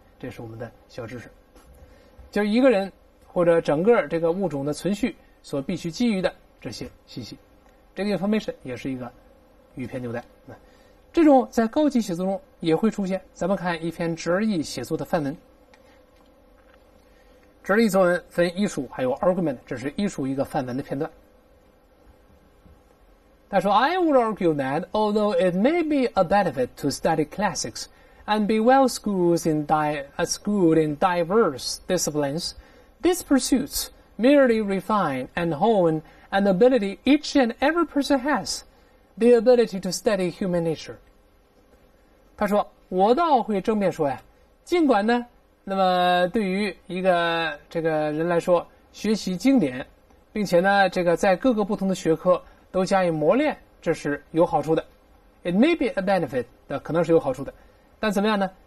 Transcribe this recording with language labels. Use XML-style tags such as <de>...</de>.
<zh>这是我们的小知识，就是一个人或者整个这个物种的存续所必须基于的这些信息。这个 information 也是一个语偏纽带，这种在高级写作中也会出现。咱们看一篇直译写作的范文，直译作文分艺术还有 argument， 这是艺术一个范文的片段。他说</zh> <en>I would argue that although it may be a benefit to study classics and be well schooled in diverse disciplines, these pursuits merely refine and hone an ability each and every person has, the ability to study human nature.</en> <zh>他说我倒会正面说呀，尽管呢，那么对于一个这个人来说，学习经典并且呢这个在各个不同的学科都加以磨练，这是有好处的。</zh> <en>It may be a benefit，</en> <zh>可能是有好处的，但怎么样呢？</zh>